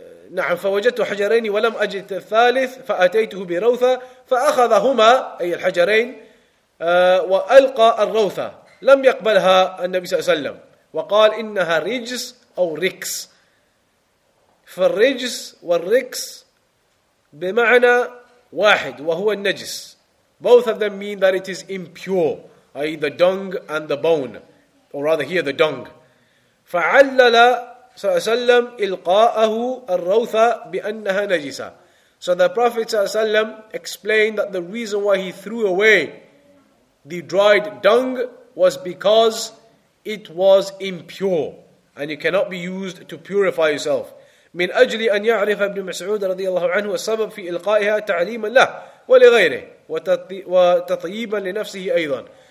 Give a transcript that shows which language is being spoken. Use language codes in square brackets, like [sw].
[ar] نعم فوجدت حجرين ولم أجد الثالث فأتيته بروثة فأخذهما أي الحجرين وألقى الروثة لم يقبلها النبي صلى الله عليه وسلم وقال إنها رجس أو ركس. فالرجس والركس بمعنى واحد وهو النجس. [en] Both of them mean that it is impure, i.e. the dung and the bone, or rather here the dung. [ar] فعلل صلى الله عليه وسلم إلقاءه الروثة بأنها نجسة. [en] So the Prophet صلى الله عليه وسلم explained that the reason why he threw away the dried dung was because it was impure and you cannot be used to purify yourself. [ar] من أجل أن يعرف ابن مسعود رضي الله عنه السبب في إلقائها تعليما له ولغيره وتطيبا لنفسه أيضا.